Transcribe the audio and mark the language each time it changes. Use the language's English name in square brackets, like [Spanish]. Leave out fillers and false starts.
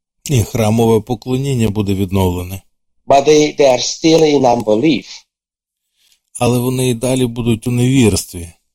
[Ukrainian] І храмове поклоніння буде відновлене. [English] But they are still in unbelief. [Ukrainian] Але вони і далі будуть у невірстві.